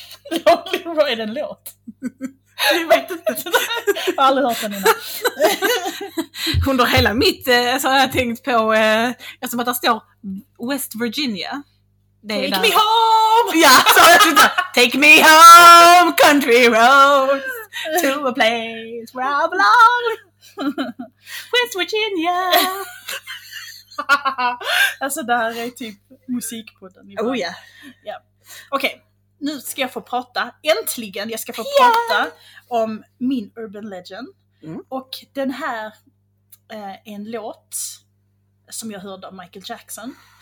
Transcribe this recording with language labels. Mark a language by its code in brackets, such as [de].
[sv] Lonely road, är det en låt? Jag vet inte. Jag har aldrig hört den innan. Under hela mitt så har jag tänkt på, som att det står West Virginia. Det är me home! Ja, så jag tyckte det. [en] Take me home, country roads, to a place where I belong, West Virginia. [sv] Alltså det här är typ musikpodden. Oh yeah. Yeah. Okej, nu ska jag få prata, äntligen jag ska få prata om min urban legend. Mm. Och den här är en låt som jag hörde av Michael Jackson.